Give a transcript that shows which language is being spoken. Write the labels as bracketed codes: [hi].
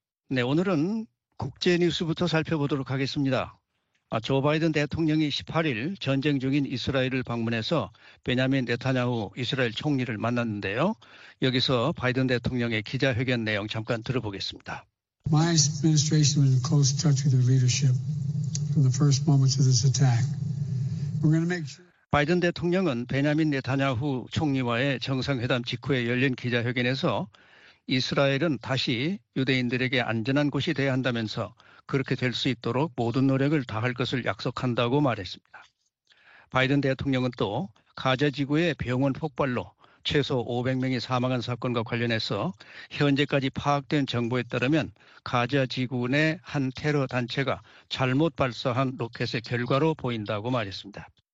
[ko] 네, 오늘은 국제 뉴스부터 살펴보도록 하겠습니다. 조 바이든 대통령이 18일 전쟁 중인 이스라엘을 방문해서 베냐민 네타냐후 이스라엘 총리를 만났는데요. 여기서 바이든 대통령의 기자회견 내용 잠깐 들어보겠습니다. [en] My administration was in close touch with the leadership from the first moments of this attack. We're going to make sure. [ko] 바이든 대통령은 베냐민 네타냐후 총리와의 정상회담 직후에 열린 기자회견에서 이스라엘은 다시 유대인들에게 안전한 곳이 돼야 한다면서 그렇게 될 수 있도록 모든 노력을 다할 것을 약속한다고 말했습니다. 바이든 대통령은 또 가자지구의 병원 폭발로 최소 500명이 사망한 사건과 관련해서 현재까지 파악된 정보에 따르면 가자지구 내 한 테러 단체가 잘못 발사한 로켓의 결과로 보인다고 말했습니다.